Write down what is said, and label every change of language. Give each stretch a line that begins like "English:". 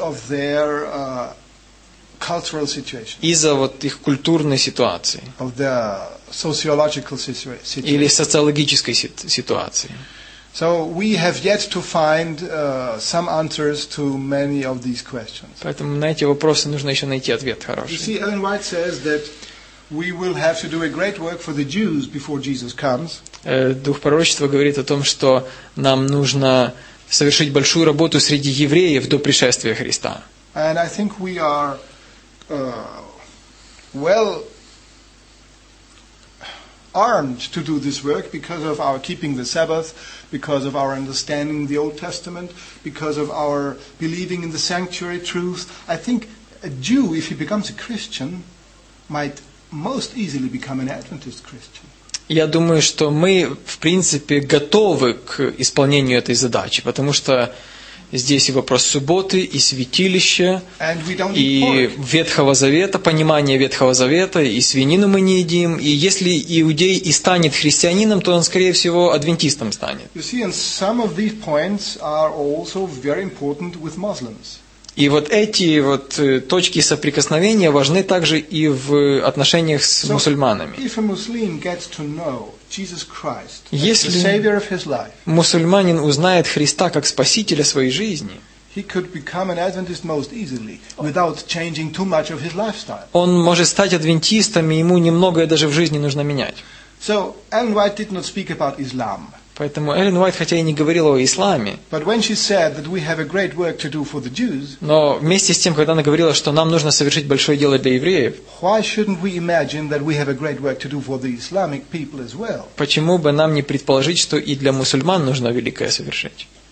English: Of their, cultural situation.
Russian: Из-за вот их культурной ситуации.
English: Of their sociological situation.
Russian: Или социологической ситуации.
English: So we have yet to find some answers to many of these questions.
Russian: Поэтому на эти вопросы нужно еще найти ответ хороший.
English: You see, Ellen White says that we will have to do a great work for the Jews before Jesus comes.
Russian: Дух пророчества говорит о том, что нам нужно совершить большую работу среди евреев до пришествия Христа.
English: And I think we are well armed to do this work because of our keeping the Sabbath, because of our understanding the Old Testament, because of our believing in the sanctuary truth. I think a Jew, if he becomes a Christian, might most easily become an Adventist Christian.
Russian: Я думаю, что мы, в принципе, готовы к исполнению этой задачи, потому что здесь и вопрос субботы, и святилища, и Ветхого Завета, понимание Ветхого Завета, и свинину мы не едим. И если иудей и станет христианином, то он, скорее всего, адвентистом станет.
English: You see, and some of these points are also very important with Muslims.
Russian: И вот эти вот точки соприкосновения важны также и в отношениях с мусульманами.
English: If a Muslim gets to know Jesus Christ,
Russian: если
English: the savior of his life,
Russian: мусульманин узнает Христа как спасителя своей жизни,
English: he could become an Adventist most easily without changing too much of his lifestyle.
Russian: Он может стать адвентистом, и ему немногое даже в жизни нужно менять.
English: So Ellen White did not speak about Islam.
Russian: Поэтому Эллен Уайт, хотя и не говорила о исламе, но вместе с тем, когда она говорила, что нам нужно совершить большое дело для евреев, почему бы нам не предположить, что и для мусульман нужно великое совершить?